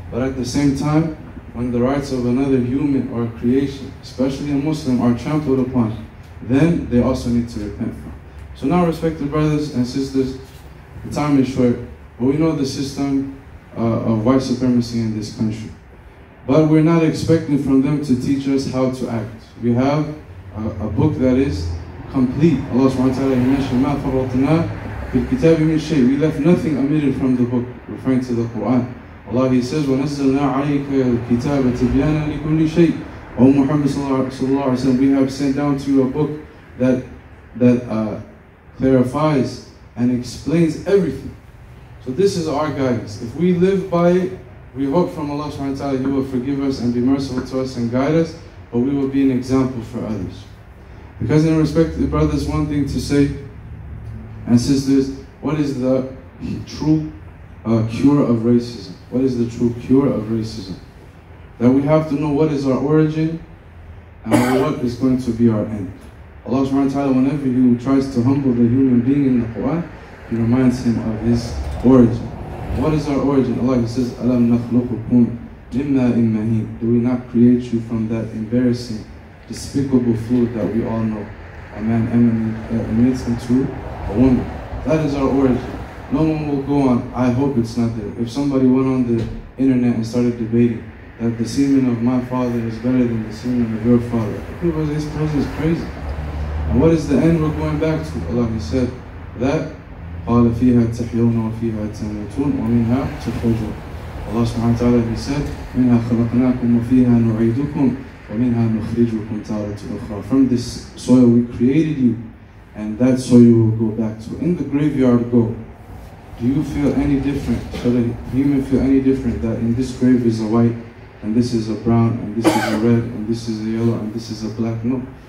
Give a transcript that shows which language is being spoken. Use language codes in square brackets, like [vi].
[en] But at the same time, when the rights of another human or creation, especially a Muslim, are trampled upon, then they also need to repent from. So now, respected brothers and sisters, the time is short, but we know the system of white supremacy in this country. But we're not expecting from them to teach us how to act. We have a book that is complete. [ar] Allah subhanahu wa ta'ala mentioned, مَا فَرَطْنَا فِي الْكِتَابِ مِنْ شَيْءٍ. [en] We left nothing omitted from the book, referring to the Qur'an. Allah, He says, [ar] وَنَزَّلْنَا عَلَيْكَ الْكِتَابَ تِبْيَانًا لِكُلِّ شَيْءٍ. [en] O Muhammad sallallahu alayhi wa sallam, we have sent down to you a book that clarifies and explains everything. So this is our guidance. If we live by it, we hope from Allah subhanahu wa ta'ala, He will forgive us and be merciful to us and guide us, but we will be an example for others. Because in respect to the brothers, one thing to say, and sisters, what is the true cure of racism? What is the true cure of racism? That we have to know what is our origin and what is going to be our end. Allah subhanahu wa ta'ala, whenever He tries to humble the human being in the Qur'an, He reminds him of his origin. What is our origin? Allah, He says, [ar] أَلَمْ نَخْلُقُكُمْ جِمَّاءٍ مَهِينٍ. [en] Do we not create you from that embarrassing, despicable fluid that we all know? A man emanates into a woman. That is our origin. No one will go on, I hope it's not there. If somebody went on the internet and started debating that the semen of my father is better than the semen of your father, this person is crazy. And what is the end we're going back to? Allah, He said, that [ar] قَالَ فِيهَا تَحْيَوْنَ وَفِيهَا تَمُوتُونَ وَمِنْهَا تَخْرُجُونَ. [en] Allah subhanahu wa ta'ala, He said, [ar] مِنْهَا خَلَقْنَاكُمْ وَفِيهَا نُعِيدُكُمْ وَمِنْهَا نُخْرِجُكُمْ تَارَةً أُخْرَى. [en] From this soil we created you, and that soil you will go back to. In the graveyard go. Do you feel any different? Should a human feel any different that in this grave is a white, and this is a brown, and this is a red, and this is a yellow, and this is a black? No.